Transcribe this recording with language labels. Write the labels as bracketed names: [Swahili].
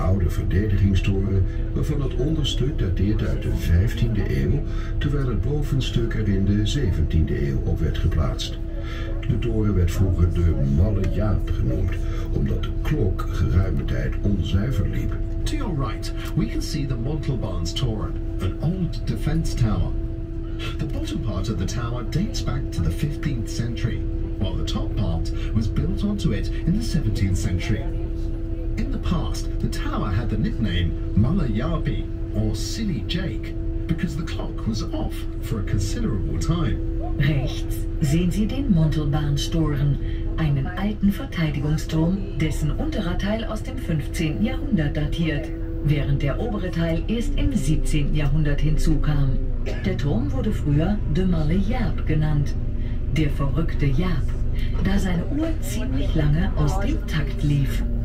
[Dutch] Verdedigingstoren, waarvan het onderstuk dateert uit de 15e eeuw, terwijl het bovenstuk er in de 17e eeuw op werd geplaatst. De toren werd vroeger de Malle Jaap genoemd, omdat de klok geruime tijd onzuiver liep. [English] To your right, we can see the Montalban's Toren, an old defense tower. The bottom part of the tower dates back to the 15th century, while the top part was built onto it in the 17th century. In the past, the tower had the nickname Malle Jaapie, or Silly Jake, because the clock was off for a considerable time. [German] Rechts sehen Sie den Montalbansturm, einen alten Verteidigungsturm, dessen unterer Teil aus dem 15. Jahrhundert datiert, während der obere Teil erst im 17. Jahrhundert hinzukam. Der Turm wurde früher de Malle Jaap genannt, der verrückte Jaap, da seine Uhr ziemlich lange aus dem Takt lief.